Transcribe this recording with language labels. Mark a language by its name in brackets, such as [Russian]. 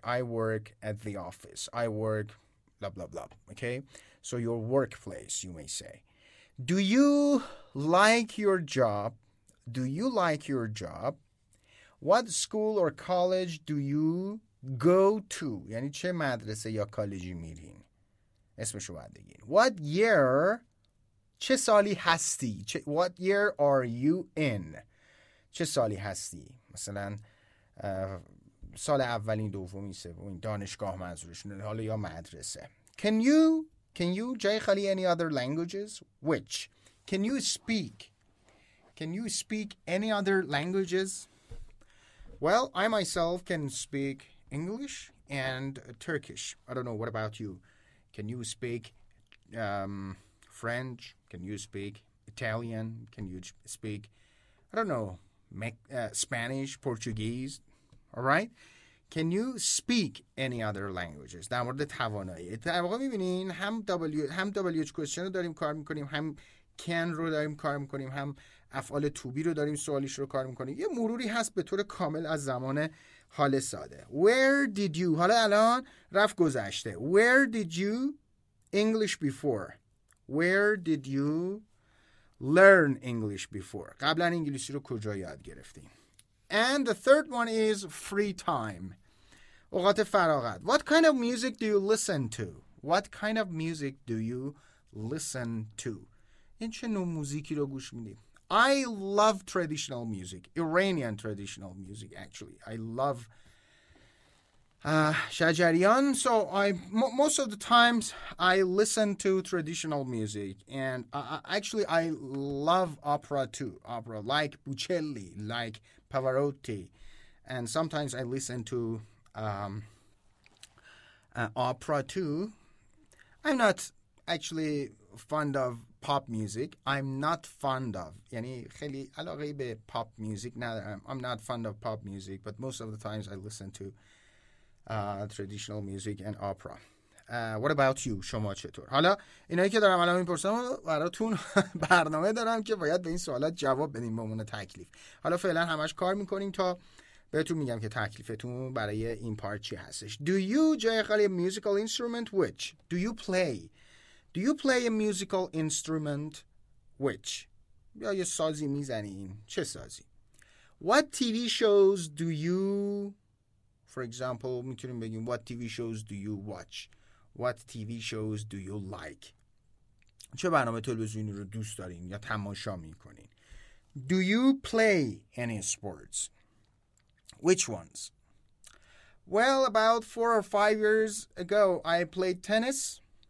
[English] I work at the office. I work blah, blah, blah. Okay? So your workplace, you may say. Do you like your job? Do you like your job? What school or college do you go to? [Persian] یعنی چه مدرسه یا کالجی میرین؟ اسمشو باید بگین. [English] What year, [Persian] چه سالی هستی؟ [English] What year are you in? [Persian] چه سالی هستی؟ مثلا سال اولین, دومین, سومین دانشگاه منظورشون, حالا یا مدرسه. [English] Can you [Persian] جای خالی [English] any other languages? Which? Can you speak any other languages? Well, I myself can speak English and Turkish. I don't know, what about you? Can you speak French? Can you speak Italian? Can you speak, I don't know, Spanish, Portuguese? All right? Can you speak any other languages? [Persian] در مورد توانایی. در واقع می‌بینین هم WH question رو داریم کار می‌کنیم, هم can رو داریم کار می‌کنیم, هم افعال to be رو داریم سوالیش رو کار می‌کنیم. یه مروری هست به طور کامل از زمان حال ساده. [English] Where did you, [Persian] حالا الان رفت گذشته. [English] Where did you, English before. Where did you learn English before. [Persian] قبلا انگلیسی رو کجا یاد گرفتی. [English] And the third one is free time. [Persian] اوقات فراغت. [English] What kind of music do you listen to? What kind of music do you listen to? [Persian] این چه نوع موزیکی رو گوش میدی؟ [English] I love traditional music, Iranian traditional music, actually. I love Shajarian. So most of the times I listen to traditional music. And actually, I love opera too. Opera like Puccelli, like Pavarotti. And sometimes I listen to opera too. I'm not actually fond of pop music. I'm not fond of, [Persian] یعنی خیلی علاقه به pop music ندارم. [English] I'm not fond of pop music, but most of the times I listen to traditional music and opera. What about you? [Persian] شما چطور؟ حالا اینایی که دارم الان میپرسم براتون برنامه دارم که باید به این سوالات جواب بدیم به عنوان تکلیف. حالا فعلا همش کار میکنیم تا بهتون میگم که تکلیفتون برای این پارت چی هستش. [English] Do you [Persian] جای خالی [English] musical instrument which? Do you play? Do you play a musical instrument? Which? [Persian] یا یه سازی میزنین؟ چه سازی؟ [English] What TV shows do you For example, [Persian] میتونیم بگیم [English] What TV shows do you watch? What TV shows do you like? [Persian] چه برنامه تلویزیونی رو دوست دارین یا تماشا میکنین؟ [English] Do you play any sports? Which ones? Well, about 4 or 5 years ago, I played tennis.